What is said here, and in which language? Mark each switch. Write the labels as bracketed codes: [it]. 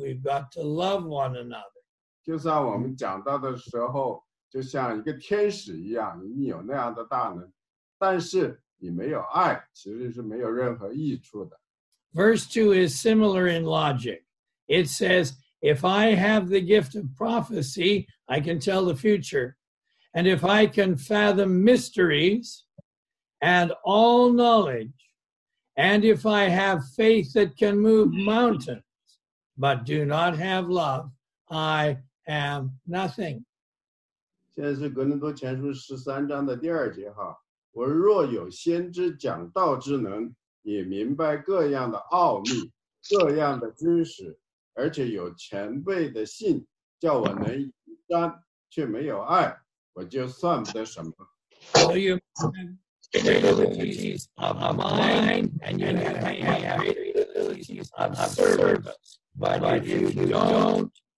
[en] We've got to love one another. [zh] 就算我们讲到的时候就像一个天使一样你有那样的大能但是你没有爱其实是没有任何益处的。 [en] Verse 2 is similar in logic. It says, if I have the gift of prophecy, I can tell the future. And if I can fathom mysteries and all knowledge, and if I have faith that can move mountains, but do not have love,I am nothing. [zh] 现在是格林多前书十三章的第二节哈。我若有先知讲道之能，也明白各样的奥秘、各样的知识，而且有前辈的信，叫我能以沾，却没有爱，我就算不得什么。 [en] So you have abilities of a mind, and you have abilities of a service, but if you don't.